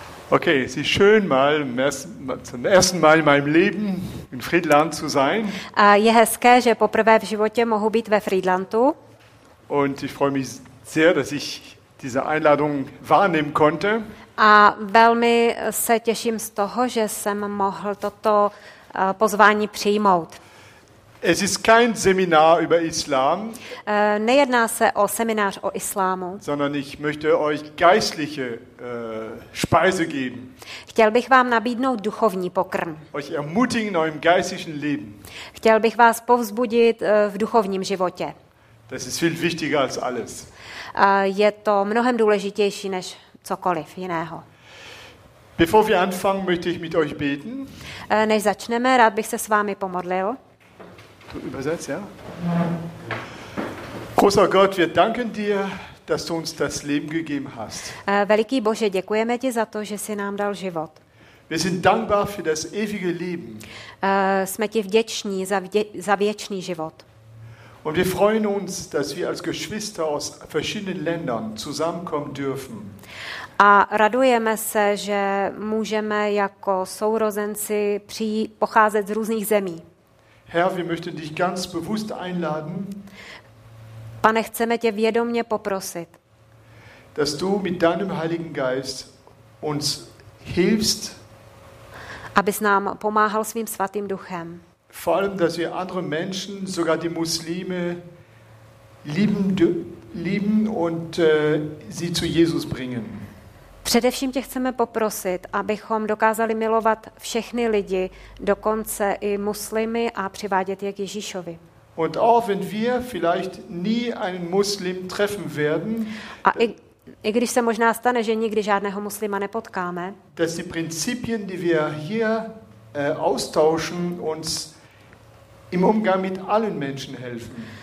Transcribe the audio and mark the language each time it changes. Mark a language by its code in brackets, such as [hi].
[de] Okay, es ist schön, zum ersten Mal in meinem Leben in Friedland zu sein. [cs] A je hezké, že poprvé v životě mohu být ve Friedlandu. [de] Und ich freue mich sehr, dass ich diese Einladung wahrnehmen konnte. [cs] A velmi se těším z toho, že jsem mohl toto pozvání přijmout. [de] Es ist kein Seminar über Islam, [cs] nejedná se o seminář o islámu, [de] sondern ich möchte euch geistliche Speise geben. [cs] Chtěl bych vám nabídnout duchovní pokrm. [de] Euch ermutigen in eurem geistlichen Leben. [cs] Chtěl bych vás povzbudit v duchovním životě. [de] Das ist viel wichtiger als alles. [cs] Je to mnohem důležitější než cokoliv jiného. [de] Bevor wir anfangen, möchte ich mit euch beten. [cs] Než začneme, rád bych se s vámi pomodlil. [de] Übersetzt, ja? Großer Gott, wir danken dir, dass du uns das Leben gegeben hast. [cs] Veliký Bože, děkujeme ti za to, že jsi nám dal život. [de] Wir sind dankbar für das ewige Leben. [cs] Jsme ti vděční za věčný život. [de] Und wir freuen uns, dass wir als Geschwister aus verschiedenen Ländern zusammenkommen dürfen. [cs] A radujeme se, že můžeme jako sourozenci pocházet z různých zemí. [de] Herr, wir möchten dich ganz bewusst einladen. [cs] Pane, chceme tě vědomě poprosit. [de] Dass du mit deinem Heiligen Geist uns hilfst. [cs] Abys nám pomáhal svým svatým duchem. [de] Vor allem, dass wir andere Menschen, sogar die Muslime, lieben und sie zu Jesus bringen. [cs] Především tě chceme poprosit, abychom dokázali milovat všechny lidi, dokonce i muslimy, a přivádět je k Ježíšovi. [de] Und auch wenn wir vielleicht nie einen Muslim treffen werden, [cs] a i když se možná stane, že nikdy žádného muslima nepotkáme, [de] dass die Prinzipien, die wir hier austauschen, uns im Umgang mit allen Menschen helfen.